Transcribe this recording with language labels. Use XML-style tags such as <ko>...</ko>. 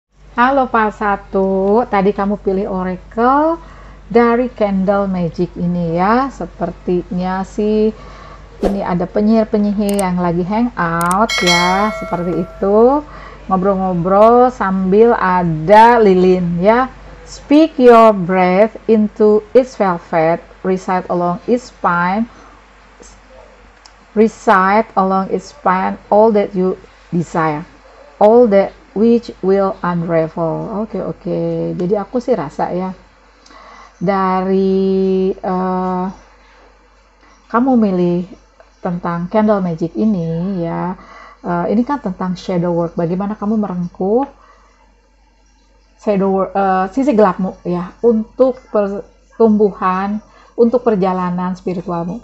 <id>Halo file 1, tadi kamu pilih Oracle dari Candle Magic ini ya. Sepertinya sih ini ada penyihir-penyihir yang lagi hangout ya, seperti itu. Ngobrol-ngobrol sambil ada lilin ya.</id> <en>Speak your breath into its velvet, reside along its spine, reside along its spine all that you desire, all that which will unravel.</en> <id>Oke. Jadi aku sih rasa ya, dari kamu milih tentang candle magic ini ya, ini kan tentang shadow work, bagaimana kamu merengkuh shadow, sisi gelapmu ya, untuk pertumbuhan, untuk perjalanan spiritualmu.</id>